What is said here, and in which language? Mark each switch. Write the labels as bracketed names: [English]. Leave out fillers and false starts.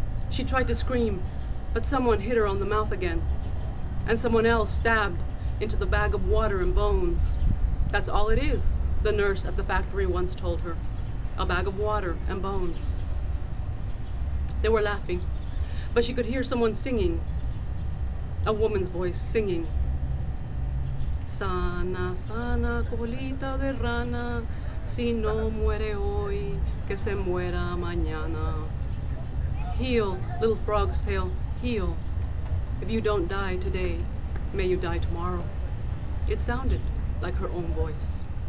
[English] She tried to scream, but someone hit her on the mouth again, and someone else stabbed into the bag of water and bones. That's all it is, the nurse at the factory once told her, a bag of water and bones. They were laughing, but she could hear someone singing, a woman's voice singing. [Spanish] Sana, sana, colita de rana, si no muere hoy, que se muera mañana. [English] Heal, little frog's tail, heal. If you don't die today, may you die tomorrow. It sounded like her own voice.